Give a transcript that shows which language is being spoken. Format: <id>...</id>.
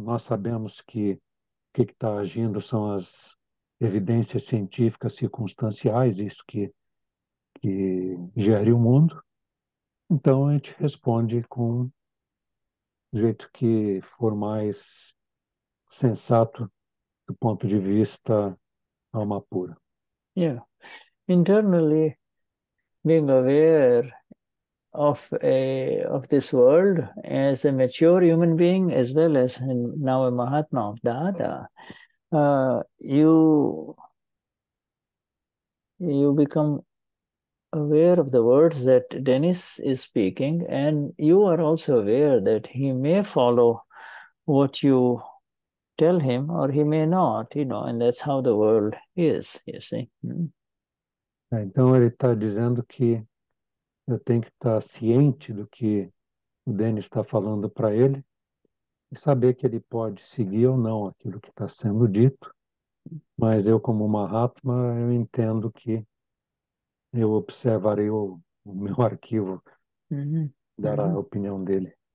<pt>Nós sabemos que o que está agindo são as evidências científicas circunstanciais, isso que gere o mundo. Então, a gente responde com o jeito que for mais sensato do ponto de vista alma pura.</pt> <en>Yeah. Internally, being aware of this world as a mature human being, as well as now a Mahatma of Dada, you become aware of the words that Dennis is speaking, and you are also aware that he may follow what you tell him or he may not, you know, and that's how the world is, you see.</en> <pt>Então ele está dizendo que eu tenho que estar ciente do que o Dennis está falando para ele e saber que ele pode seguir ou não aquilo que está sendo dito. Mas eu, como Mahatma, eu entendo que eu observarei o meu arquivo, dará a opinião dele.</pt>